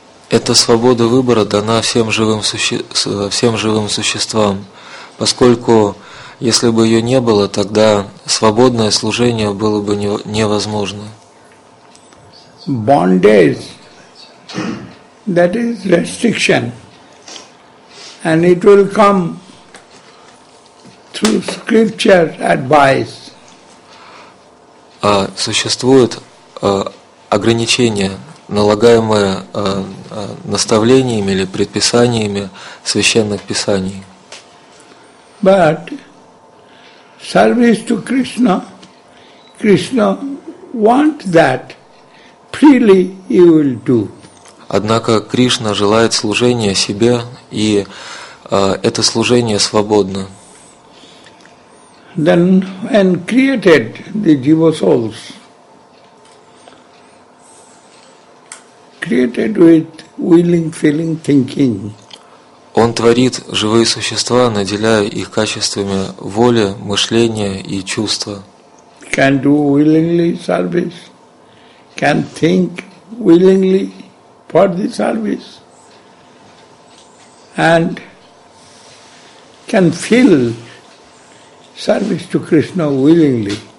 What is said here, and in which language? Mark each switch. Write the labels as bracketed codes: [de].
[ru] Это свобода выбора дана всем живым существам, поскольку если бы ее не было, тогда свободное служение было бы невозможно. [en] Bondage, that is restriction, and it will come through scripture advice. [ru] Существует ограничения, налагаемые наставлениями или предписаниями священных писаний. [en] But service to Krishna, Krishna want that freely you will do. [ru] Однако Кришна желает служения себе, и это служение свободно. [en] Then and created the jiva souls. created with willing, feeling, thinking. [ru] Он творит живые существа, наделяя их качествами воли, мышления и чувства. [en] Can do willingly service, can think willingly for the service, and can feel service to Krishna willingly.